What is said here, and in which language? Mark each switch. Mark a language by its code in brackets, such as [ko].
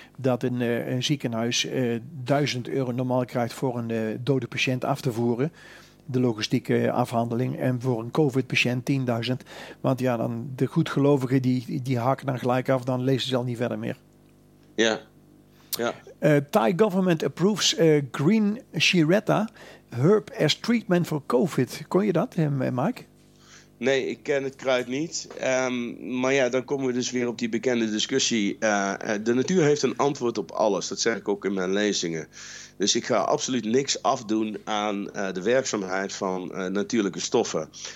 [nl] Dat een ziekenhuis €1000 normaal krijgt voor een dode patiënt af te voeren. De logistieke afhandeling. En voor een COVID-patiënt 10.000. Want ja, dan de goedgelovigen die haken dan gelijk af, dan lezen ze al niet verder meer. Ja. Ja. [en] Thai government approves green shiretta herb as treatment for COVID. [nl] Kon je dat, Mike? Nee, ik ken het kruid niet. Maar ja, dan komen we dus weer op die bekende discussie. De natuur heeft een antwoord op alles. Dat zeg ik ook in mijn lezingen. Dus ik ga absoluut niks afdoen aan de werkzaamheid van natuurlijke stoffen.